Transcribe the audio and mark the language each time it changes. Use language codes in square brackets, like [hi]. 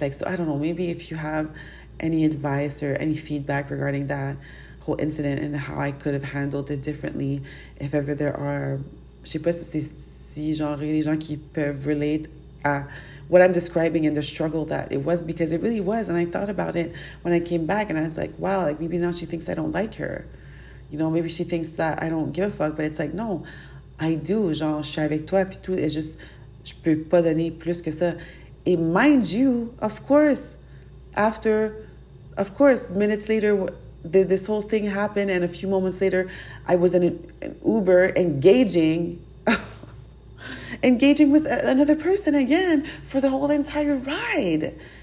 [en] Like, so I don't know, maybe if you have any advice or any feedback regarding that whole incident and how I could have handled it differently, if ever there are, [fr] je sais pas si genre les gens qui peuvent relate à [en] what I'm describing and the struggle that it was, because it really was. And I thought about it when I came back and I was like, wow, like maybe now she thinks I don't like her. You know, maybe she thinks that I don't give a fuck, but it's like, no, I do. [fr] Genre, je suis avec toi, puis tout, et juste, je peux pas donner plus que ça. [en] And mind you, of course, minutes later, this whole thing happened, and a few moments later, I was in an Uber engaging with another person again for the whole entire ride.